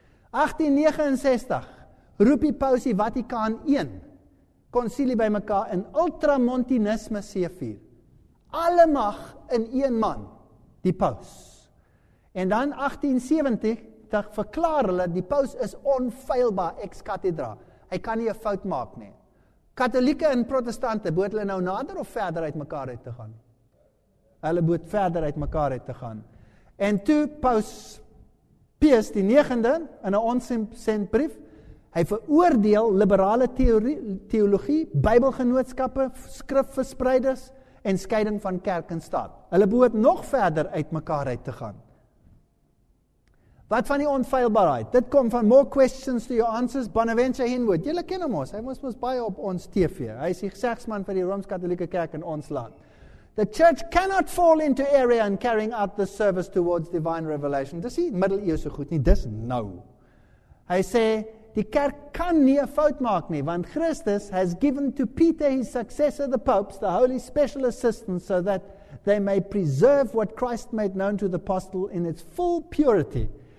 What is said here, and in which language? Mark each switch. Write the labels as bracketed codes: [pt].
[af] 1869 roep die paus die Vatikaan 1 konsilie by mekaar in ultramontanisme C4. Alle mag in een man, die paus. En dan 1870 dat verklaar hulle die paus is onfeilbaar ex cathedra. Hy kan nie 'n fout maak nie. Katolieke en protestante, moet hulle nou nader of verder uit mekaar uit te gaan? Hulle moet verder uit mekaar uit te gaan. En toe paus Pius die 9de in 'n onsent brief, hy veroordeel liberale teologie, Bybelgenootskappe, skrifverspreiders en skeiding van kerk en staat. Hulle moet nog verder uit mekaar uit te gaan. Wat van die onfeilbaarheid? Dit kom van More Questions to Your Answers, Bonaventure Henwood. Julle ken hom ons, hy was mos baie op ons TV. Hy is die gesagsman vir die Rooms-Katolieke Kerk in ons land. [en] The church cannot fall into error in carrying out the service towards divine revelation. [af] Dis nie middeleeuwse goed nie, dis nou. Hy sê, die kerk kan nie 'n fout maak nie, want [en] Christus has given to Peter, his successor, the popes, the holy special assistance, so that they may preserve what Christ made known to the apostle in its full purity.